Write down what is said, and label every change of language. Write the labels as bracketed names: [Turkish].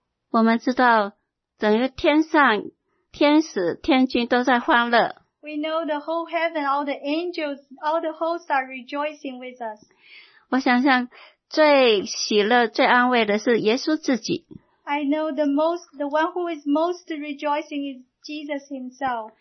[Chinese] 我们知道整个天上天使天君都在欢乐. [English] We know the whole heaven, all the angels, all the hosts are rejoicing with us. [Chinese] 我想象 最喜乐最安慰的是耶稣自己。 [English] I know the one who is most rejoicing is Jesus himself.